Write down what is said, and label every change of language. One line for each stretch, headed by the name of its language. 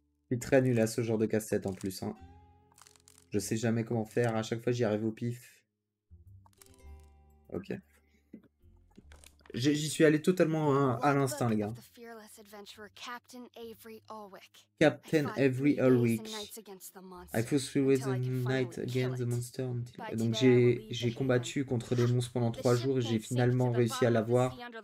French: C'est très nul à ce genre de casse-tête en plus. Hein. Je sais jamais comment faire, à chaque fois j'y arrive au pif. Ok. J'y suis allé totalement à l'instinct, les gars.
English: Adventurer Captain Avery Ulwick. Captain Avery Ulwick. I fought three ways and nights against the monster.
French: Donc j'ai combattu contre les monstres pendant 3 jours et j'ai finalement réussi à l'avoir.